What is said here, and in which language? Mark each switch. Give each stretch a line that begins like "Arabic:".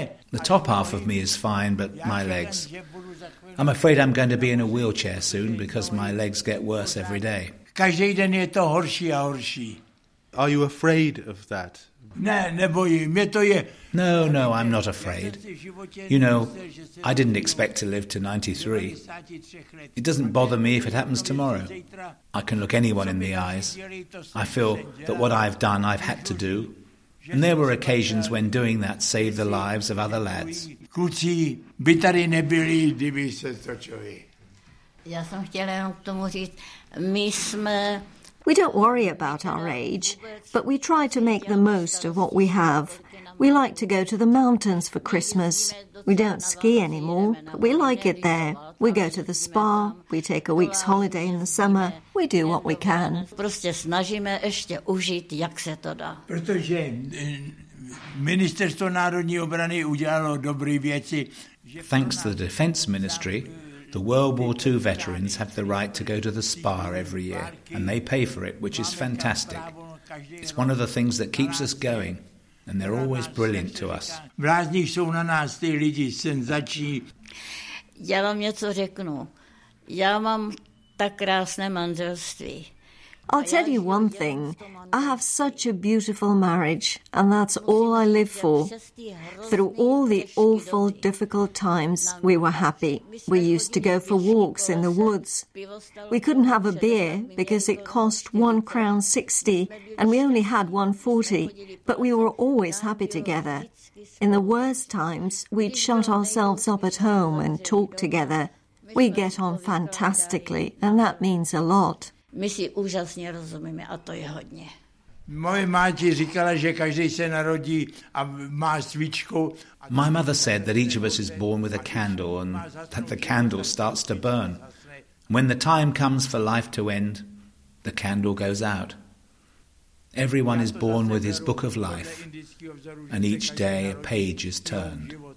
English: The top half of me is fine, but my legs. I'm afraid I'm going to be in a wheelchair soon because my legs get worse every day.
Czech: Každý den je to horší a horší.
English: Are you afraid of that? No, I'm not afraid. You know, I didn't expect to live to 93. It doesn't bother me if it happens tomorrow. I can look anyone in the eyes. I feel that what I've done, I've had to do. And there were occasions when doing that saved the lives of other lads.
Czech: Kluci by tady nebyli, kdyby se točili. Já jsem chtěla jenom k tomu říct, my jsme...
English: We don't worry about our age, but we try to make the most of what we have. We like to go to the mountains for Christmas. We don't ski anymore, but we like it there. We go to the spa, we take a week's holiday in the summer. We do what we can.
Czech: Prostě snažíme ještě užít, jak se to dá. Protože Ministerstvo národní obrany udělalo dobré věci.
English: Thanks to the Defence Ministry, the World War II veterans have the right to go to the spa every year, and they pay for it, which is fantastic. It's one of the things that keeps us going, and they're always brilliant to us.
Czech: Vrázní jsou na nás ty lidi, senzační. Já vám něco řeknu. Já mám tak krásné manželství.
English: I'll tell you one thing. I have such a beautiful marriage, and that's all I live for. Through all the awful, difficult times, we were happy. We used to go for walks in the woods. We couldn't have a beer because it cost 1.60 crown, and we only had 1.40, but we were always happy together. In the worst times, we'd shut ourselves up at home and talk together. We get on fantastically, and that means a lot.
Czech: My si úžasně rozumíme a to je hodně. Moje máči říkala, že každý se narodí a má svíčku.
English: My mother said that each of us is born with a candle and that the candle starts to burn. When the time comes for life to end, the candle goes out. Everyone is born with his book of life and each day a page is turned.